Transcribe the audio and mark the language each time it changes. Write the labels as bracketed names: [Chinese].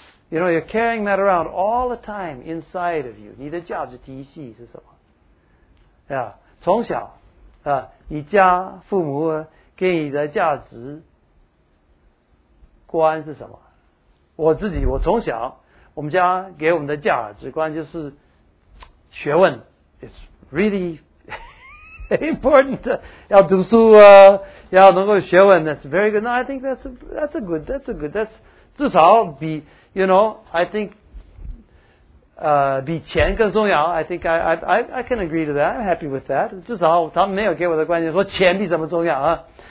[English] You know, you're carrying that around all the time inside of you. [Chinese] 你的价值体系是什么？ Yeah, 从小啊，你家父母给你的价值观是什么？我自己，我从小我们家给我们的价值观就是学问 [English] It's really important [Chinese] 要读书啊，要能够学问 [English] That's very good. No, I think that's a good. That's [Chinese] 至少比 [English] you know, I think [Chinese] 比钱更重要 [English] I think I can agree to that. I'm happy with that. [Chinese] 至少他们没有给我的观点说钱比什么重要啊。